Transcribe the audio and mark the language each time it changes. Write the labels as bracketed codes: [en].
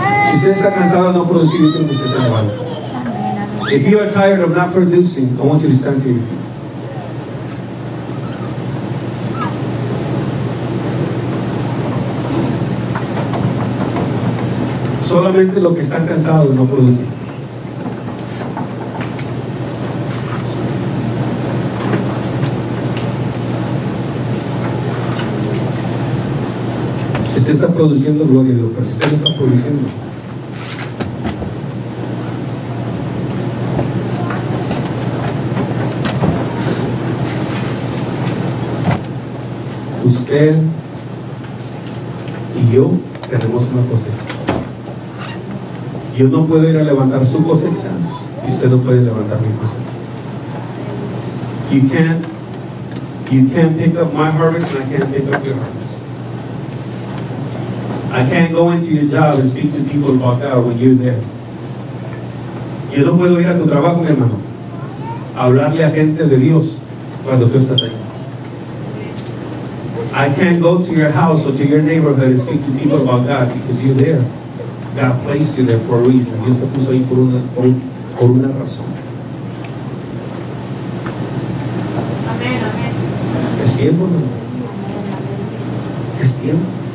[es] Si usted está cansado de no producir, yo creo que usted está mal. [en] If you are tired of not producing, I want you to stand to your feet. [es] Solamente los que están cansados de no producir. Se está produciendo gloria de Dios, pero usted no está produciendo. Usted y yo tenemos una cosecha. Yo no puedo ir a levantar su cosecha y usted no puede levantar mi cosecha. [en] You can't pick up my harvest and I can't pick up your harvest. I can't go into your job and speak to people about God when you're there. [es] Yo no puedo ir a tu trabajo, mi hermano, a hablarle a gente de Dios cuando tú estás ahí. [en] I can't go to your house or to your neighborhood and speak to people about God because you're there. God placed you there for a reason. [es] Dios te puso ahí por una razón. Amén, amén. ¿Es tiempo, no? ¿Es tiempo?